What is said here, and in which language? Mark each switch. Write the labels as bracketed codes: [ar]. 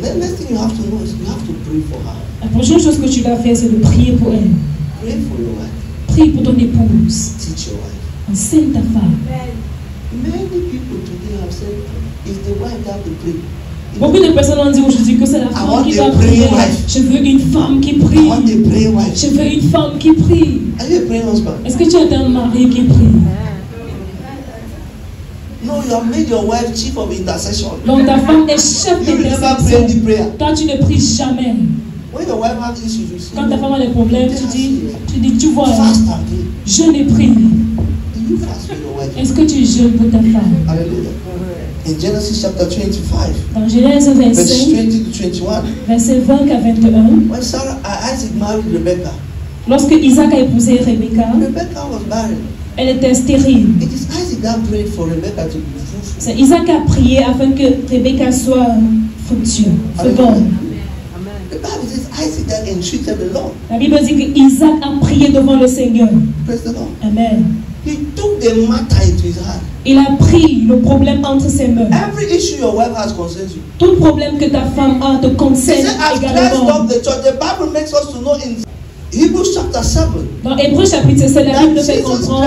[en] The next thing you have to know is you have to pray for her. [fr] La prochaine chose que tu dois faire, c'est de prier pour elle. [en] Pray for your wife. [fr] Prie pour ton épouse. [en] Teach your wife. [fr] Enseigne ta femme. [en] Many people today have said, is the wife that to pray? [fr] Beaucoup de personnes ont dit aujourd'hui que c'est la femme qui doit prier. Je veux une femme qui prie. [en] I want a prayer wife. [fr] Je veux une femme qui prie. [en] Are you a praying husband? [fr] Est-ce que tu as un mari qui prie? [en] No, you have made your wife chief of intercession. [fr] Donc ta femme est chef [en] you [fr] d'intercession. [en] You never pray any prayer. [fr] Toi, tu ne pries jamais. [en] When your wife has issues, you say, [fr] quand ta femme a des problèmes, tu dis, tu vois, [en] fast [fr] je ne prie. [en] Do you fast with your wife? [fr] Est-ce que tu jeûnes pour ta femme? [en] Alléluia. In Genesis chapter 25, [fr] dans Genèse 25, verset 20 à 21, [en] when Sarah, Isaac married Rebecca, [fr] lorsque Isaac a épousé Rebecca, [en] Rebecca was barren. [fr] Elle était stérile. [en] It is Isaac that prayed for Rebecca to be fruitful. [fr] C'est Isaac qui a prié afin que Rebecca soit fructueuse, féconde. [en] The Bible says Isaac that entreated the Lord. [fr] La Bible dit que Isaac a prié devant le Seigneur. [en] Praise the Lord. Amen. He took the matter into his hand. [fr] Il a pris le problème entre ses mains. [en] Every issue your wife has concerns you. [fr] Tout problème que ta femme a te concerne également. [en] Christ loved the church. The Bible makes us to know in Hebrews chapter 7. [fr] Dans Hébreux chapitre 7, la Bible nous fait comprendre